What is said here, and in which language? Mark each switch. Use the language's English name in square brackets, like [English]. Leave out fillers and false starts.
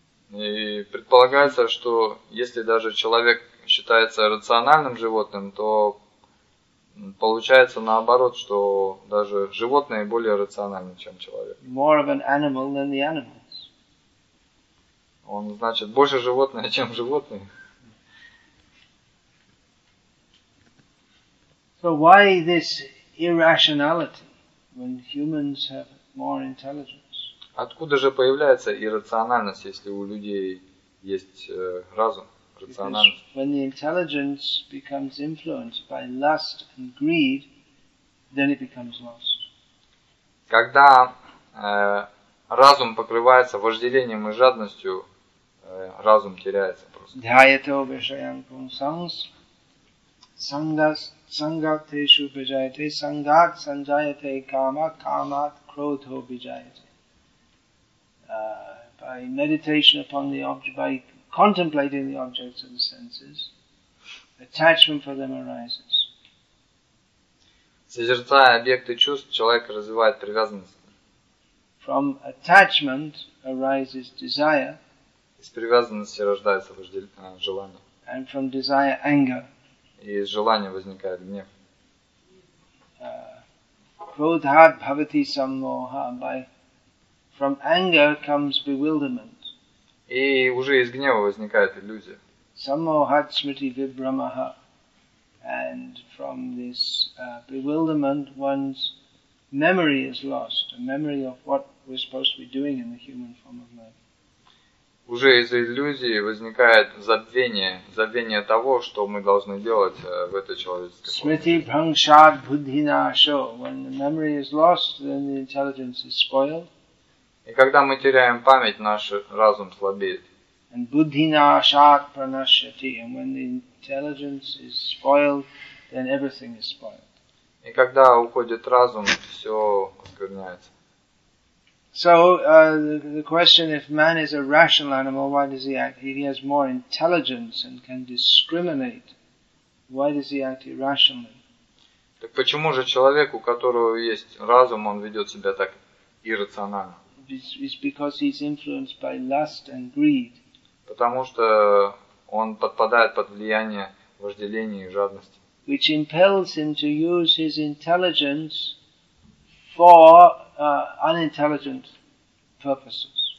[Russian] И предполагается, что если даже человек считается рациональным животным, то получается наоборот, что даже животные более рациональны, чем человек. [English] More of an animal than the animals. [Russian] Он, значит, больше животное, чем животное. [English] So why this irrationality when humans have more intelligence? [Russian] Откуда же появляется иррациональность, если у людей есть разум, рациональность? [English] Because when the intelligence becomes influenced by lust and greed, then it becomes lost. [Russian] Когда разум покрывается вожделением и жадностью, разум теряется просто. [Sanskrit] Дхайято вишаян пунсанс сангатешу бижаяте сангат санжаяте кама камат кротхо бижаяте. [English] By meditation upon the object, by contemplating the objects of the senses, attachment for them arises. [Russian] Созерцая объекты чувств, человек развивает привязанность. [English] From attachment arises desire. [Russian] Из привязанности рождается желание. [English] And from desire, anger. [Russian] И из желания возникает гнев. [Sanskrit] Krodha bhavati sammoha. [English] From anger comes bewilderment. [Russian] И уже из гнева возникает иллюзия. [Sanskrit] Sammoha smriti vibhramaha. [English] And from this bewilderment, one's memory is lost. A memory of what we're supposed to be doing in the human form of life. [Russian] Уже из иллюзии возникает забвение, забвение того, что мы должны делать в этой человеческой форме. [Sanskrit] Смрити бхрамшат буддхинашо. [English] When the memory is lost, then the intelligence is spoiled. [Russian] И когда мы теряем память, наш разум слабеет. [English] And [Sanskrit] buddhinashat pranashati, [English] and when the intelligence is spoiled, then everything is spoiled. [Russian] И когда уходит разум, все оскверняется. [English] So the question: if man is a rational animal, why does he act? If he has more intelligence and can discriminate, why does he act irrationally? [Russian] Так почему же человек, у которого есть разум, он ведет себя так иррационально? [English] It's because he's influenced by lust and greed. [Russian] Потому что он подпадает под влияние вожделения и жадности. [English] Which impels him to use his intelligence for unintelligent purposes.